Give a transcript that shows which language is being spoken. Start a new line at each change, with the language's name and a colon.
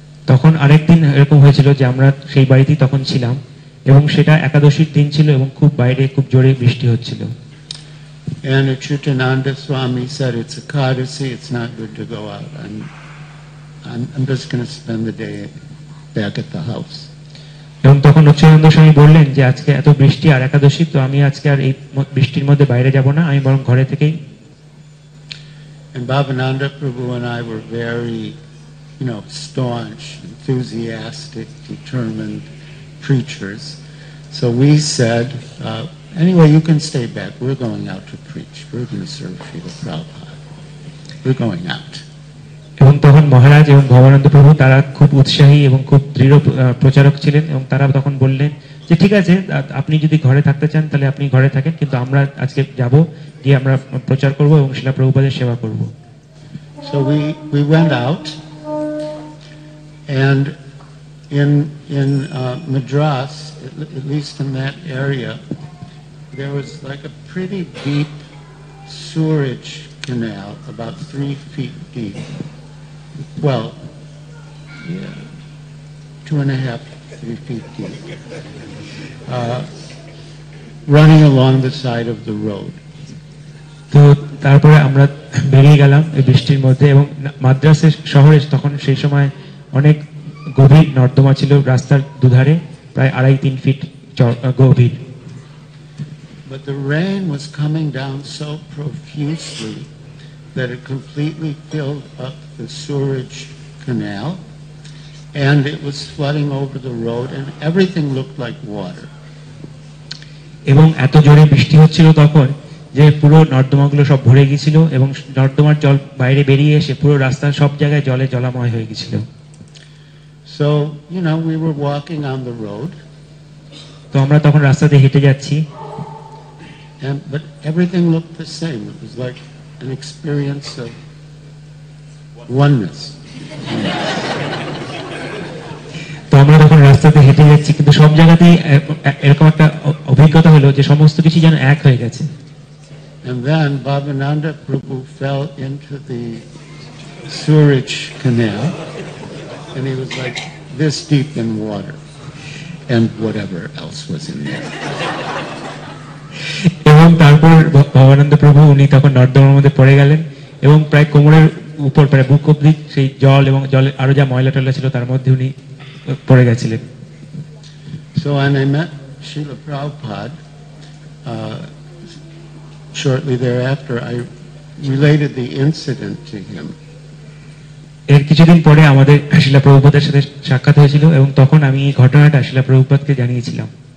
Bangla: তখন আরেকদিন এরকম হয়েছিল যে আমরা সেই বাড়িতেই তখন ছিলাম এবং সেটা একাদশীর দিন ছিল এবং খুব বাইরে খুব জোরে বৃষ্টি হচ্ছিল।
English: And Achyutananda Swami said, it's a Ekadasi, it's not good to go out. I'm just going to spend the day back at the house.
Bangla: এবং তখন অচ্যুতানন্দ স্বামী বললেন যে আজকে এত বৃষ্টি আর একাদশী তো আমি আজকে আর এই বৃষ্টির মধ্যে বাইরে যাব না, আমি বরং ঘরে থেকেই।
English: And Bhavananda Prabhu and I were very, you know, staunch, enthusiastic, determined preachers. So we said, anyway, you can stay back. We're going out to preach. We're going to serve Srila Prabhupada. We're going out.
Bangla: এবং তখন মহারাজ এবং ভবানন্দ প্রভু তারা খুব উৎসাহী এবং খুব দৃঢ় প্রচারক ছিলেন এবং তারা তখন বললেন যে ঠিক আছে আপনি যদি ঘরে থাকতে চান তাহলে আপনি ঘরে থাকেন, কিন্তু আমরা আজকে যাব গিয়ে আমরা প্রচার করব এবং শিলা প্রভুপাদের সেবা করব।
English: So we went out and in Madras, at least in that area, there was like a pretty deep sewerage canal, about 3 feet deep. Well, yeah, 2.5, 3 feet deep, running along the side of the road.
Bangla: তো তারপরে আমরা বেরিয়ে গেলাম এই বৃষ্টির মধ্যে এবং মাদ্রাসের শহরে তখন সেই সময় অনেক গভীর নর্দমা ছিল রাস্তার দুধারে প্রায় আড়াই তিন ফিট গভীর
English: But the rain was coming down so profusely that it completely filled up the sewerage canal and it was flooding over the road and everything looked like water.
Bangla: এবং এত জোরে বৃষ্টি হচ্ছিল তখন যে পুরো নর্দমাগুলো সব ভরে গিয়েছিল এবং নর্দমার জল বাইরে বেরিয়ে এসে পুরো রাস্তার সব জায়গায় জলে জলাময় হয়ে গিয়েছিল.
English: So, you know, we were walking on the road.
Bangla: তো আমরা তখন রাস্তাতে হেঁটে যাচ্ছি.
English: But everything looked the same. It was like an experience of oneness.
Bangla: তো আমরা যখন রাস্তাতে হেঁটে যাচ্ছি কিন্তু সব জায়গাতেই এরকম একটা অভিজ্ঞতা হলো যে সমস্ত কিছু যেন এক হয়ে গেছে.
English: And then Bhavananda Prabhu fell into the sewerage canal and he was like this deep in water and whatever else was in there.
Bangla: এবং তারপর ভবানন্দ প্রভু উনি তখন নর্দমার মধ্যে পড়ে গেলেন এবং প্রায় কোমরের উপর প্রায় বুক অব্দি সেই জল এবং জলে আরো যা ময়লা টলা ছিল তার মধ্যে উনি পড়ে গেছিলেন.
English: So when I met Srila Prabhupada, shortly thereafter, I related the incident to him.
Bangla: এর কিছুদিন পরে আমাদের শ্রীলা প্রভুপাদের সাথে সাক্ষাৎ হয়েছিল এবং তখন আমি এই ঘটনাটা শ্রীলা প্রভুপাদকে জানিয়েছিলাম.